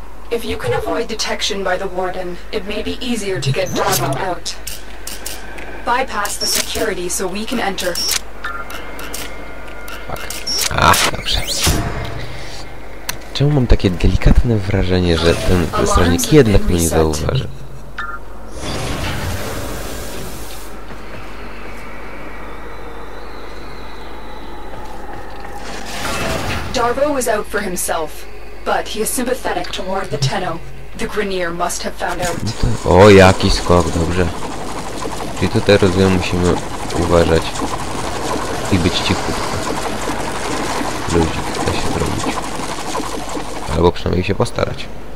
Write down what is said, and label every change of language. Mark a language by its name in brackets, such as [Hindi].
[English] If you can avoid detection by the warden, it may be easier to get Darla out. Bypass the security so we can enter. [Polish] Fuck. Ach, dobrze. Czemu mam takie delikatne wrażenie, że ten strażnik jednak mnie nie zauważy? [English] Darbo is out for himself. But he is sympathetic toward the Tenno. The Grineer must have found out. [Polish] O, jaki skok, dobrze. Czyli tutaj rozumiem, musimy uważać i być cichutko. Ludzi da się zrobić. Albo przynajmniej się postarać.